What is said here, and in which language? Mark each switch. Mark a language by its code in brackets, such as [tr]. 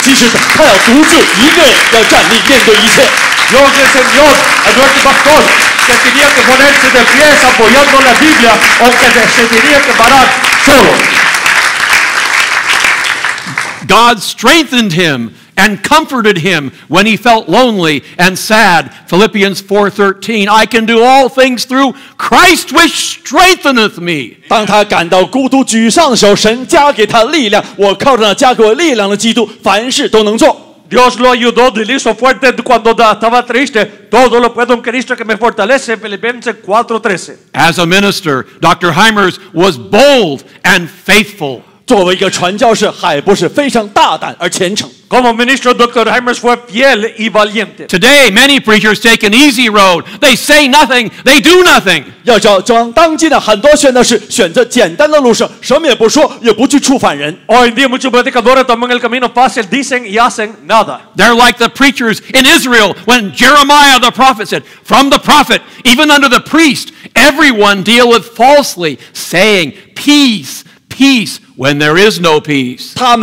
[zh] 神教我们牧师要站起来捍卫圣经，即使他要独自一个人要站立面对一切。 [es] Dios enseñó a nuestro pastor que tenía que ponerse de pie apoyando la Biblia, aunque se tenía que parar solo. [en] God strengthened him and comforted him when he felt lonely and sad. Philippians 4:13. I can do all things through Christ which strengtheneth me. [zh] 当他感到孤独沮丧的时候，神加给他力量。我靠着那加给我力量的基督，凡事都能做。 [es] Dios lo ayudó, le hizo fuerte cuando estaba triste. Todo lo puedo en Cristo que me fortalece. Filipenses 4:13. [en] As a minister, Dr. Hymers was bold and faithful. [zh] 作为一个传教士, 海博士, 非常大胆而虔诚。 [es] Como ministro, Dr. Hymers fue fiel y valiente. [en] Today, many preachers take an easy road. They say nothing, they do nothing. [zh] 要叫当今的很多宣道士选择简单的路上，什么也不说，也不去触犯人。 [es] Hoy en día muchos predicadores toman el camino fácil, dicen y hacen nada. [en] They're like the preachers in Israel when Jeremiah the prophet said, from the prophet, even under the priest, everyone deal with falsely, saying, peace, peace, when there is no peace.